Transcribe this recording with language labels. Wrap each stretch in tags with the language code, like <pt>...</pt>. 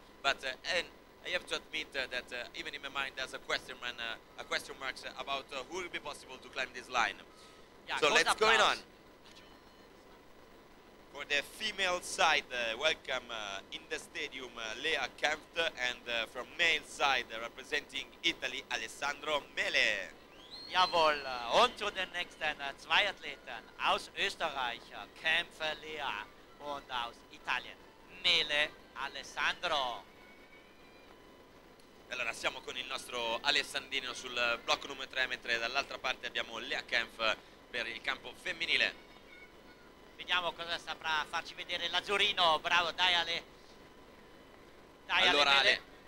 <en>But and I have to admit that even in my mind there's a question mark about who will be possible to climb this line. Yeah, so let's go on. For the female side, welcome in the stadium Lea Kempt, and from male side representing Italy, Alessandro Mele.</en> <de>Jawohl, und zu den nächsten zwei Athleten aus Österreich, Kempf Lea, und aus Italien, Mele Alessandro.</de> <it>Allora siamo con il nostro Alessandrino sul blocco numero 3, mentre dall'altra parte abbiamo Lea Kempf per il campo femminile. Vediamo cosa saprà farci vedere l'Azzurino. Bravo, dai Ale. Dai, allora Ale. Ale.</it>